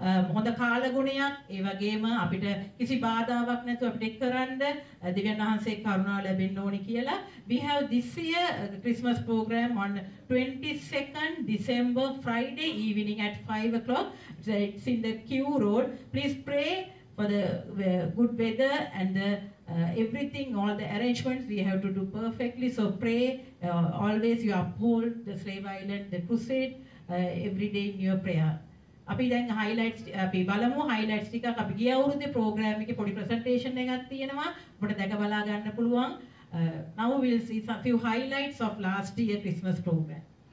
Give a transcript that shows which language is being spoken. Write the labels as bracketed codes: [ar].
[si] හොඳ කාලගුණයක් ඒ වගේම අපිට කිසි බාධාවක් නැතුව අපිට එක් කරන්න දෙවියන් වහන්සේ කරුණා ලැබෙන්න ඕනි කියලා [en] we have this year Christmas program on 22nd December Friday evening at 5 o'clock it's in the Q road please pray for the good weather and the everything, all the arrangements we have to do perfectly. So pray always you uphold the Slave Island, the crusade every day in your prayer. [si] අපි දැන් highlights අපි බලමු highlights ටිකක් අපි ගිය අවුරුද්දේ program එකේ පොඩි presentation එකක් තියෙනවා. ඔබට දැක බලා ගන්න පුළුවන්. [en] Now we'll see some few highlights of last year Christmas program.